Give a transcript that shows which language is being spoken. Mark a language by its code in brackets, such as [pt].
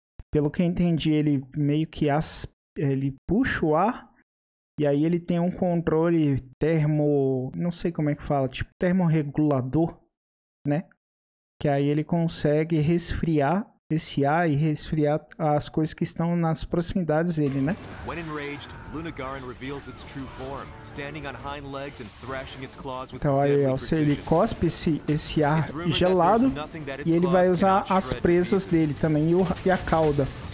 [pt] Pelo que eu entendi, ele meio que aspira. Ele puxa o ar e aí ele tem um controle termo, não sei como é que fala, tipo termorregulador, né? Que aí ele consegue resfriar esse ar e resfriar as coisas que estão nas proximidades dele, né? [en] When enraged, Lunagaran reveals its true form, standing on hind legs and thrashing its claws with deadly precision. [pt] Então, olha aí, ele cospe esse ar gelado e ele vai usar as presas dele também e a cauda.